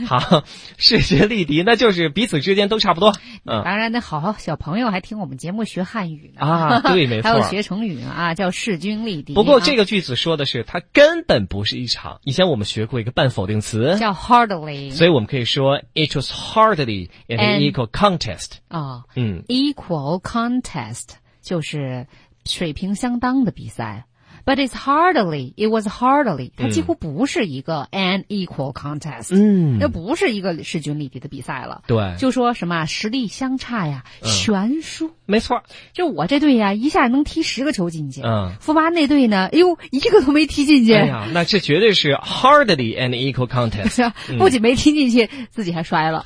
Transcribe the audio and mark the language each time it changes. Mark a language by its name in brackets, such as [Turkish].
[Chinese] 好，势均力敌，那就是彼此之间都差不多。当然，那好好小朋友还听我们节目学汉语呢啊，对，没错，还有学成语啊，叫势均力敌。不过这个句子说的是它根本不是一场。以前我们学过一个半否定词叫 hardly，所以我们可以说 [English] it was hardly an equal contest 啊、equal contest。 [Chinese] Test 就是水平相当的比赛 ， [English] but it was hardly， [Chinese] 它几乎不是一个 [English] an equal contest， [Chinese] 那不是一个势均力敌的比赛了。对，就说什么实力相差呀，悬殊。没错，就我这队呀，一下能踢十个球进去。嗯，富巴那队呢，哎呦，一个都没踢进去。哎呀，那这绝对是 [English] hardly an equal contest， [Chinese] 不仅没踢进去，自己还摔了。